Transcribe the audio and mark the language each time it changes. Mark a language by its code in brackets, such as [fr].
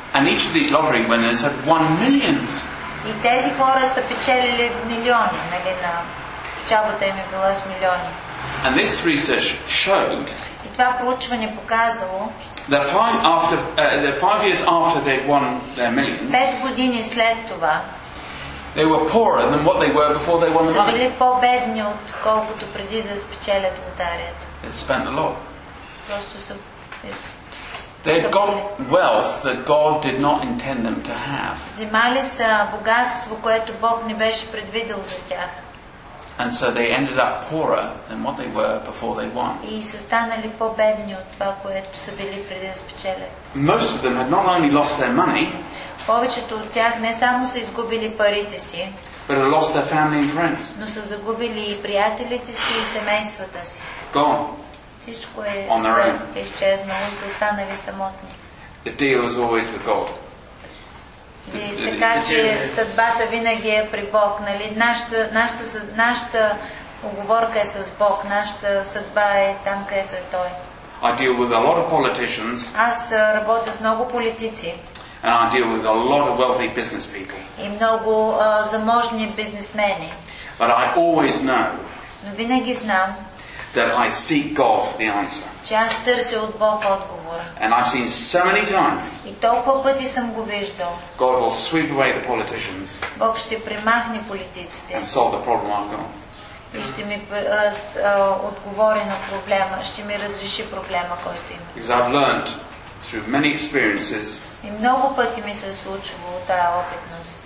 [en] And each of these lottery winners had won millions. [bg] И тези хора са печелили милиони, нали, на печалбата им е била с милиони. [en] And this research showed [bg] И това проучване показало [en] that five years after they'd won their millions, [bg] 5 години след това [en] they were poorer than what they were before they won the money. [bg] Са били по-бедни от колкото преди да спечелят лотарията. [en] They spent a lot. [bg] Просто са [en] They got wealth that God did not intend them to have. [bg] Взимали са богатство, което Бог не беше предвидил за тях. [en] And so they ended up poorer than what they were before they won. [bg] И са станали по-бедни от това, което са били преди да спечелят. [en] Most of them had not only lost their money. [bg] Повечето от тях не само са изгубили парите си. [en] But had lost their family and friends. [bg] Но са загубили и приятелите си и семействата си. [en] Gone. [bg] Всичко е изчезнало, са останали самотни. [en] The deal is always with God. [bg] Така че съдбата винаги е при Бог. Нали? Нашата уговорка е с Бог. Нашата съдба е там, където е Той. [en] I deal with a lot of politicians. [bg] Аз работя с много политици. [en] And I deal with a lot of wealthy business people. [bg] И много заможни бизнесмени. [en] But I always know. [bg] Но винаги знам. [en] That I seek God the answer. [bg] Че аз търся от Бог отговора. [en] And I've seen so many times. [bg] И толкова пъти съм го виждал. [en] God will sweep away the politicians. [bg] Бог ще премахне политиците. [en] And solve the problem I've got. [bg] И ще ми отговори на проблема, ще ми разреши проблема, който имам. [en] Because I've learned through many experiences. [bg] И много пъти ми се е случвало тая опитност.